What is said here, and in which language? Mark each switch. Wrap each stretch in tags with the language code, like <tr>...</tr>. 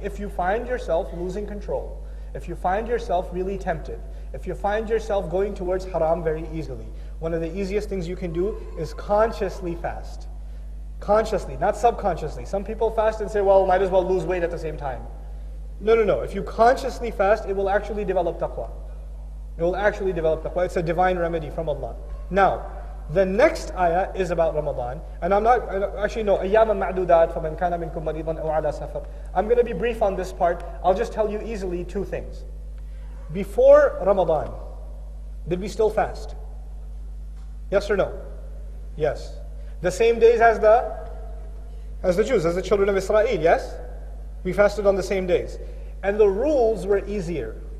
<en>If you find yourself losing control, if you find yourself really tempted, if you find yourself going towards haram very easily, one of the easiest things you can do is consciously fast. Consciously, not subconsciously. Some people fast and say, well, might as well lose weight at the same time. No. If you consciously fast, it will actually develop taqwa. It will actually develop taqwa. It's a divine remedy from Allah. Now, the next ayah is about Ramadan. And I'm not, actually no,</en> <ar>أَيَّامًا مَعْدُودَاتْ فَمَنْ كَانَ مِنْكُمْ مَرِيضًا أَوْ عَلَى سَفَرٍ.</ar> <en>I'm going to be brief on this part. I'll just tell you easily two things. Before Ramadan, did we still fast? Yes or no? Yes. The same days as the Jews, as the children of Israel, yes? We fasted on the same days. And the rules were easier.</en>